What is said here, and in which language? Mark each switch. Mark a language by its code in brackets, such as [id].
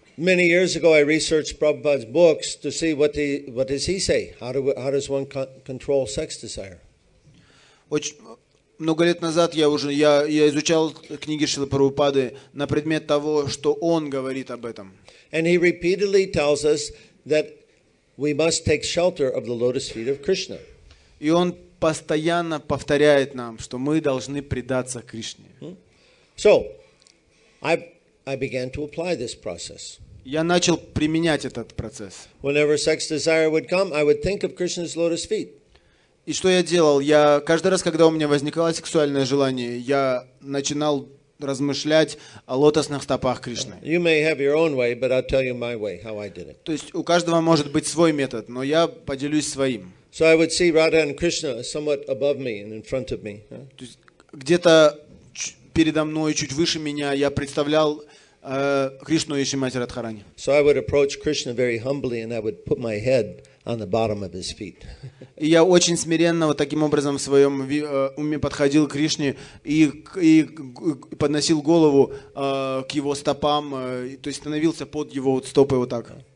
[en] Many years ago I researched Prabhupada's books to see what does he say? How does one control sex desire? [ru] Много лет назад я изучал книги Шрилы Прабхупады на предмет того, что он говорит об этом. [en] And he repeatedly tells us that we must take shelter of the lotus feet of Krishna. [ru] И он постоянно повторяет нам, что мы должны предаться Кришне. [en] So, I began to apply this process. [ru] Я начал применять этот процесс. [en] Whenever sex desire would come, I would think of Krishna's lotus feet. [ru] И что я делал? Я каждый раз, когда у меня возникало сексуальное желание, я начинал размышлять о лотосных стопах Кришны. То есть у каждого может быть свой метод, но я поделюсь своим. [en] So I would see Radha and Krishna somewhat above me and in front of me. [ru] То есть где-то передо мной, чуть выше меня, я представлял Кришну и Шримати Радхарани. [en] So I would approach Krishna very humbly and I would put my head on the bottom of his feet. [ru] И я очень смиренно вот таким образом в своем уме подходил к Кришне и подносил голову к его стопам, то есть становился под его вот стопы вот так.